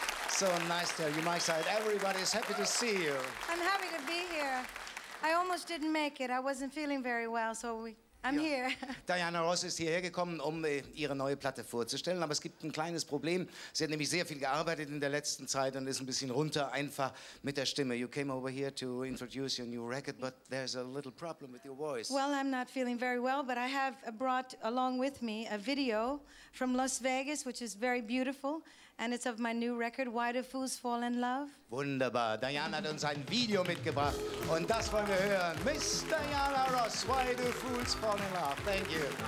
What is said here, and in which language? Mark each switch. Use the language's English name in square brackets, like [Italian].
[English] So nice to have you, my side. Everybody's happy to see you. I'm happy to be here. I almost didn't make it. I wasn't feeling very well, so I'm here. [German] Diana Ross ist hierher gekommen, um ihre neue Platte vorzustellen. Aber es gibt ein kleines Problem. Sie hat nämlich sehr viel gearbeitet in der letzten Zeit und ist ein bisschen runter, einfach mit der Stimme. [English] You came over here to introduce your new record, but there's a little problem with your voice. Well, I'm not feeling very well, but I have brought along with me a video from Las Vegas, which is very beautiful. And it's of my new record, Why Do Fools Fall in Love. [German] Wunderbar. Diana hat uns ein Video mitgebracht. Und das wollen wir hören. [English] Miss Diana Ross, Why Do Fools Fall in Love. Thank you.